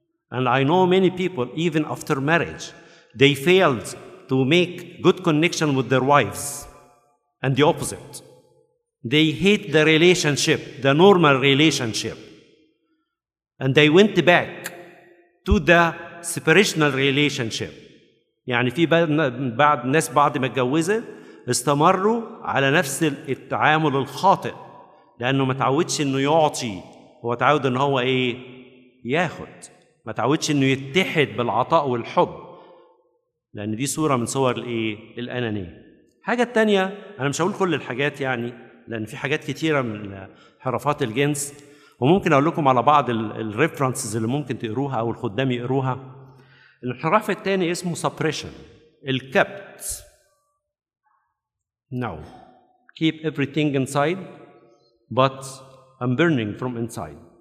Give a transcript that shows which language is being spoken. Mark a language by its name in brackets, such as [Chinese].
[English] And I know many people, even after marriage, they failed to make good connection with their wives, and the opposite. They hate the relationship, the normal relationship. And they went back to the separational relationship. [Arabic] يعني في بعض الناس بعد ما اتجوزت استمروا على نفس التعامل الخاطئ لأنه ما تعودش أنه يعطي, هو تعود أنه هو إيه؟ ياخد. ما تعودش أنه يتحد بالعطاء والحب, لأن دي صورة من صور الأنانية. حاجة تانية, أنا مش هقول كل الحاجات يعني, لأن في حاجات كتيرة من حرفات الجنس، وممكن أقول لكم على بعض الريفرنسز اللي ممكن تقروها أو الخدام يقروها. الانحراف الثاني اسمه suppression، الكبت. [English] No, keep everything inside, but I'm burning from inside.